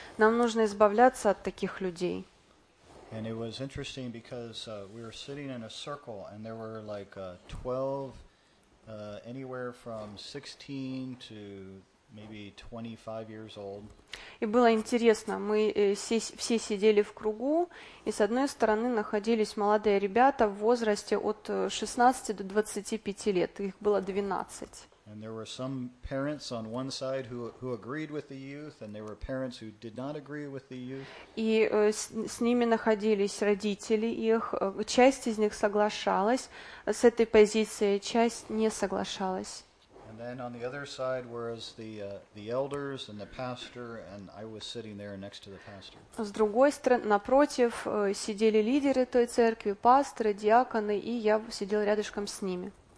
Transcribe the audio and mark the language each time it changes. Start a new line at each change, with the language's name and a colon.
Russian: Нам нужно избавляться от таких людей.
English: And it was interesting because we were sitting in a circle and there were like 12 anywhere from 16 to maybe 25 years old.
Russian: И было интересно, мы все сидели в кругу, и с одной стороны находились молодые ребята в возрасте от 16 до 25 лет, их было 12.
English: And there were some parents on one side who agreed with the youth, and there were parents who did not agree with the youth.
Russian: И с ними находились родители их, часть из них соглашалась с этой позицией, часть не соглашалась.
English: Then on the other side was the elders and the pastor, and I was sitting there next to the pastor.
Russian: С другой стороны, напротив, сидели лидеры той церкви, пасторы, диаконы, и я сидел рядышком с ними.